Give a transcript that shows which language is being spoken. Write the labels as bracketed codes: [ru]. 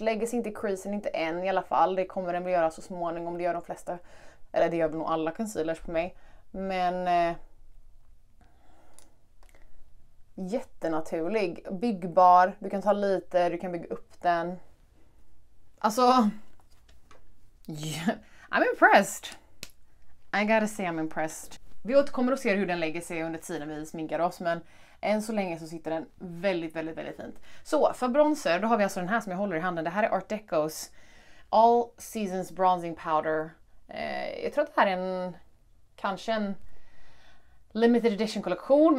[sv] Lägger sig inte i creasen, inte än i alla fall. Det kommer den att göra så småningom. Det gör de flesta, eller det gör nog alla concealers på mig. Men jättenaturlig. Byggbar, du kan ta lite, du kan bygga upp den. [en] Alltså, yeah, I'm impressed. I gotta say I'm impressed. [sv] Vi återkommer och ser hur den lägger sig under tiden vi sminkar oss. Men än så länge så sitter den väldigt, väldigt, väldigt fint. Så, för bronzer, då har vi alltså den här som jag håller i handen. Det här är Art Deco's All Seasons Bronzing Powder. Jag tror att det här är en, kanske en limited edition kollektion.